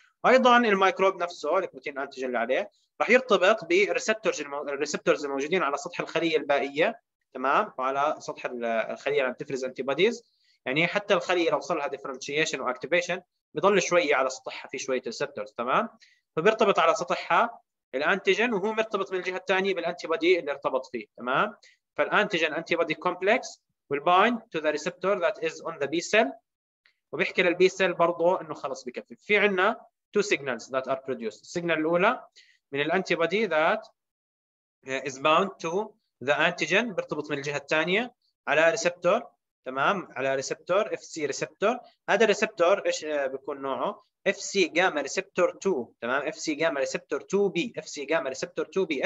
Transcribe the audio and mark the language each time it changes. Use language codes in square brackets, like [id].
[ar] ايضا الميكروب نفسه البروتين انتيجن اللي عليه راح يرتبط بالريسبتورز الموجودين على سطح الخليه البائيه، تمام؟ وعلى سطح الخليه اللي عم تفرز انتي بوديز، يعني حتى الخليه لو وصلها ديفرنشيشن واكتيفيشن بضل شويه على سطحها في شويه ريسبتورز، تمام؟ فبيرتبط على سطحها الانتيجن وهو مرتبط من الجهه الثانيه بالانتي بودي اللي ارتبط فيه، تمام؟ فالانتيجن انتي بودي كومبلكس [en] will bind to the receptor that is on the B cell، [ar] وبيحكي للبي سيل برضه انه خلص بكفي. في عندنا [en] two signals that are produced. [ar] السيجنال الاولى من الانتي بودي [en] that is bound to the antigen [ar] بيرتبط من الجهه الثانيه على ريسبتور، تمام؟ على ريسبتور اف سي ريسبتور. هذا الريسبتور ايش بيكون نوعه؟ اف سي جاما ريسبتور 2، تمام؟ اف سي جاما ريسبتور 2 بي، اف سي جاما ريسبتور 2 بي.